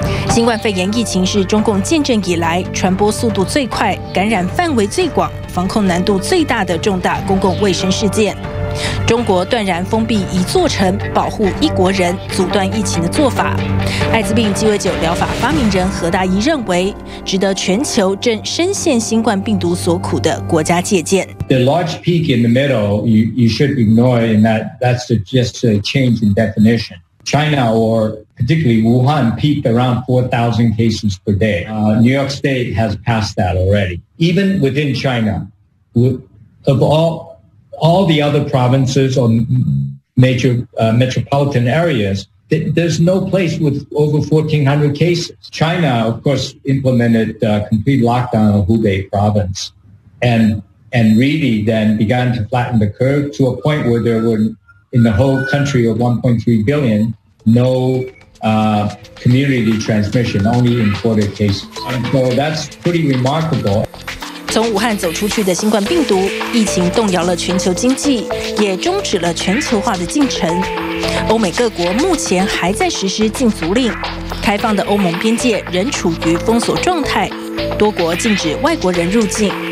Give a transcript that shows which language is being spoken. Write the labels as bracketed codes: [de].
[zh] 新冠肺炎疫情是中共建政以来传播速度最快、感染范围最广、防控难度最大的重大公共卫生事件。中国断然封闭一座城，保护一国人，阻断疫情的做法。艾滋病鸡尾酒疗法发明人何大一认为，值得全球正深陷新冠病毒所苦的国家借鉴。 [en] The large peak in the middle, you should ignore, and that's just a change in definition. China, or particularly Wuhan, peaked around 4,000 cases per day. New York State has passed that already. Even within China, of all the other provinces or major metropolitan areas, there's no place with over 1,400 cases. China, of course, implemented a complete lockdown of Hubei province and really then began to flatten the curve to a point where there were, in the whole country of 1.3 billion, no community transmission, only imported cases. And so that's pretty remarkable. [zh] 从武汉走出去的新冠病毒疫情动摇了全球经济，也终止了全球化的进程。欧美各国目前还在实施禁足令，开放的欧盟边界仍处于封锁状态，多国禁止外国人入境。